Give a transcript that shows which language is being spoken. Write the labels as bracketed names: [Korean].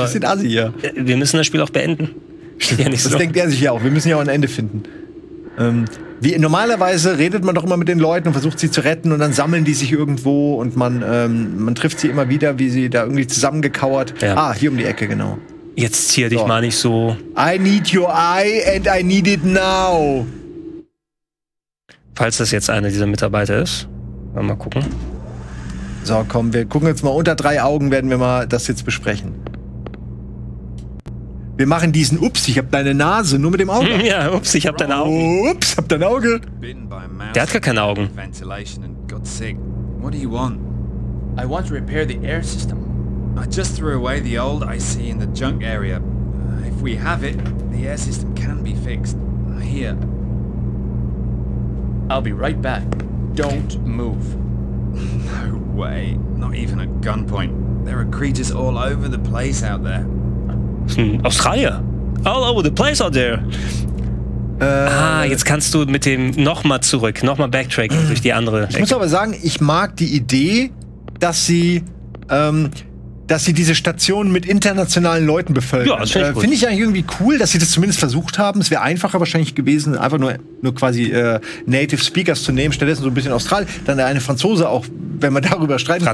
[German] ein bisschen assi, ja. Wir müssen das Spiel auch beenden. Ja nicht so. Das denkt er sich ja auch. Wir müssen ja auch ein Ende finden. Normalerweise redet man doch immer mit den Leuten und versucht sie zu retten und dann sammeln die sich irgendwo und man trifft sie immer wieder, wie sie da irgendwie zusammengekauert. Ja. Ah, hier um die Ecke, genau. Jetzt zier dich mal nicht so. [English] I need your eye and I need it now. [German] Falls das jetzt einer dieser Mitarbeiter ist, mal gucken. So, komm, wir gucken jetzt mal unter drei Augen, werden wir mal das jetzt besprechen. Wir machen diesen Ups, ich hab deine Nase, nur mit dem Auge. Ja, Ups, ich hab deine Augen. Ups, hab dein Auge. Der hat gar keine Augen. [English] Ventilation and God's sake. What do you want? I want to repair the air system. I just threw away the old IC in the junk area. If we have it, the air system can be fixed. Here. I'll be right back. Don't move. No way. Not even at gunpoint. There are creatures all over the place out there. Australia? All over the place out there. [German] Jetzt kannst du mit dem nochmal zurück, nochmal backtracken durch die andere. Ich muss aber sagen, ich mag die Idee, dass sie diese Station mit internationalen Leuten befüllen. Ja, finde ich eigentlich irgendwie cool, dass sie das zumindest versucht haben. Es wäre einfacher wahrscheinlich gewesen, einfach nur quasi Native Speakers zu nehmen, stattdessen so ein bisschen Australien, dann eine Franzose auch, wenn man darüber streiten kann.